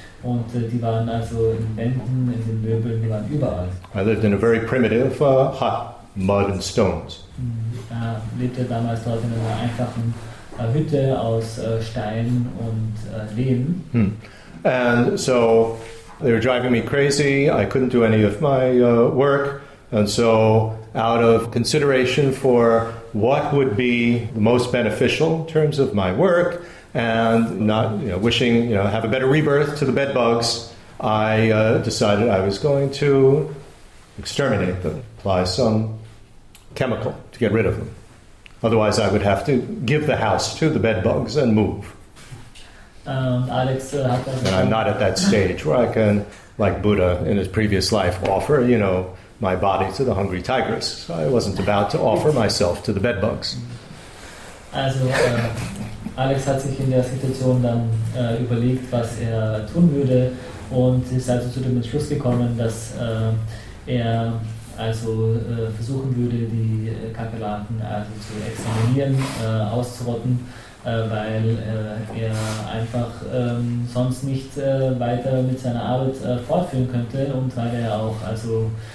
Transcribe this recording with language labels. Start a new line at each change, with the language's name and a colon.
German: Und die waren also in Wänden, in den Möbeln, die waren überall.
English: I lived in a very primitive hut, mud and stones.
German: Lebte damals dort in einer einfachen Hütte aus Stein und Lehm.
English: Hmm. And so they were driving me crazy. I couldn't do any of my work. And so out of consideration for what would be the most beneficial in terms of my work, and not, you know, wishing, you know, have a better rebirth to the bed bugs, I decided I was going to exterminate them, apply some chemical to get rid of them. Otherwise, I would have to give the house to the bed bugs and move. Alex, and I'm not at that stage where I can, like Buddha in his previous life, offer, you know, my body to the hungry tigers. So I wasn't about to offer myself to the bed bugs.
German: Also, Alex hat sich in der Situation dann überlegt, was er tun würde, und ist also zu dem Entschluss gekommen, dass er also versuchen würde, die Kakerlaken also zu exterminieren, auszurotten, weil er einfach sonst nicht weiter mit seiner Arbeit fortführen könnte und weil er auch also